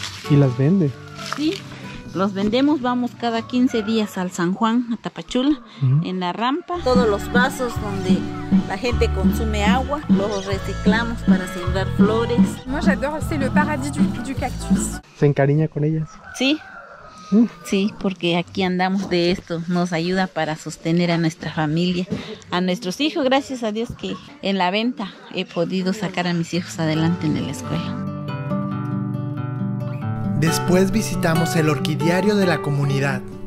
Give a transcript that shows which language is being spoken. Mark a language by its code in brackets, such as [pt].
[es] ¿Y las vende? Sí, los vendemos, vamos cada 15 días al San Juan, a Tapachula, en la rampa. Todos los vasos donde la gente consume agua, los reciclamos para sembrar flores. [fr] Moi j'adore, c'est le paradis du cactus. [es] ¿Se encariña con ellas? Sí. Sí, porque aquí andamos de esto, nos ayuda para sostener a nuestra familia, a nuestros hijos, gracias a Dios que en la venta he podido sacar a mis hijos adelante en la escuela. Después visitamos el orquidiario de la comunidad.